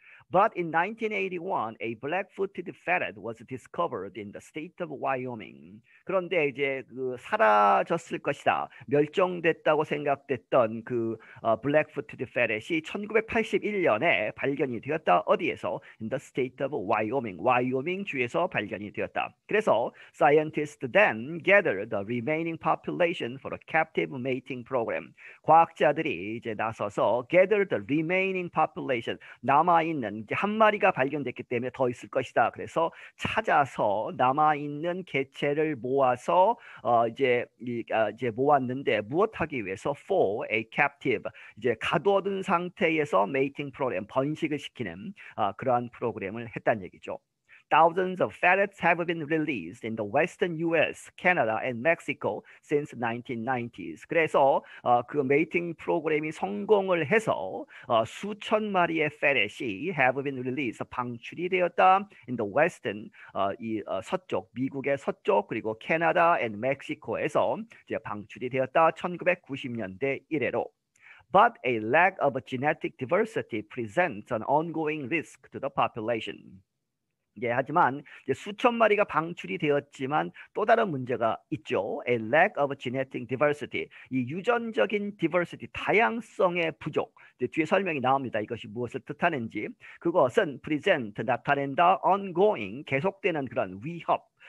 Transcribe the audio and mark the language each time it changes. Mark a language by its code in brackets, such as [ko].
[en] But in 1981, a black-footed ferret was discovered in the state of Wyoming. [ko] 그런데 이제 그 사라졌을 것이다. 멸종됐다고 생각됐던 그 black-footed ferret이 1981년에 발견이 되었다. 어디에서? [en] In the state of Wyoming. Wyoming [ko] 주에서 발견이 되었다. 그래서 [en] scientists then gathered the remaining population for a captive mating program. [ko] 과학자들이 이제 나서서 [en] gathered the remaining population. [ko] 남아있는 한 마리가 발견됐기 때문에 더 있을 것이다. 그래서 찾아서 남아있는 개체를 모아서 이제 모았는데 무엇 하기 위해서? [en] For a captive. [ko] 이제 가둬둔 상태에서 메이팅 프로그램, 번식을 시키는 그러한 프로그램을 했단 얘기죠. [en] thousands of ferrets have been released in the western US, Canada, and Mexico since 1990s. [ko] 그래서 그 mating 프로그램이 성공을 해서 수천 마리의 ferrets이 [en] have been released, [ko] 방출이 되었다 [en] in the western, [ko] 서쪽, 미국의 서쪽, 그리고 캐나다 and Mexico에서 이제 방출이 되었다, 1990년대 이래로. [en] But a lack of genetic diversity presents an ongoing risk to the population. [ko] 예, 하지만 이제 수천 마리가 방출이 되었지만 또 다른 문제가 있죠. [en] A lack of genetic diversity. [ko] 이 유전적인 diversity, 다양성의 부족. 이제 뒤에 설명이 나옵니다. 이것이 무엇을 뜻하는지. 그것은 present, 나타낸다, ongoing, 계속되는 그런 위협.